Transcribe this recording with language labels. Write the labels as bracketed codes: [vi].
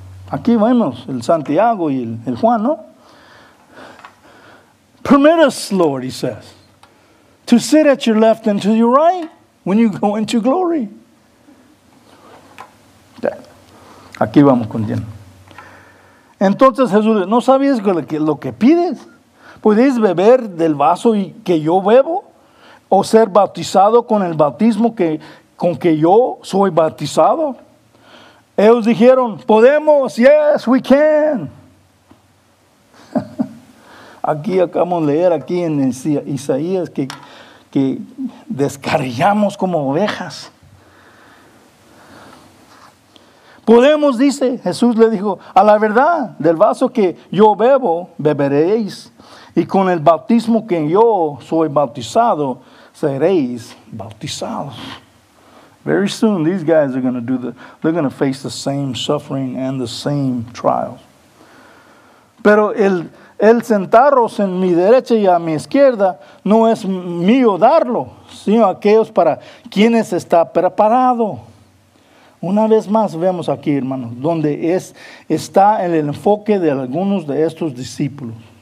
[es] Aquí vemos el Santiago y el Juan, ¿no? [en] Permit us, Lord, he says, to sit at your left and to your right when you go into glory. [es] Aquí vamos con Dios. Entonces Jesús, ¿no sabías lo que pides? ¿Podéis beber del vaso que yo bebo? ¿O ser bautizado con el bautismo con que yo soy bautizado? Ellos dijeron, podemos, [en] yes, we can. [es] Aquí acabamos de leer aquí en Isaías que descarriamos como ovejas. Podemos, dice, Jesús le dijo, a la verdad, del vaso que yo bebo, beberéis. Y con el bautismo que yo soy bautizado, seréis bautizados. [en] Very soon, these guys are going to face the same suffering and the same trials. [es] Pero el sentaros en mi derecha y a mi izquierda no es mío darlo, sino aquellos para quienes está preparado. Una vez más vemos aquí, hermanos, donde está el enfoque de algunos de estos discípulos.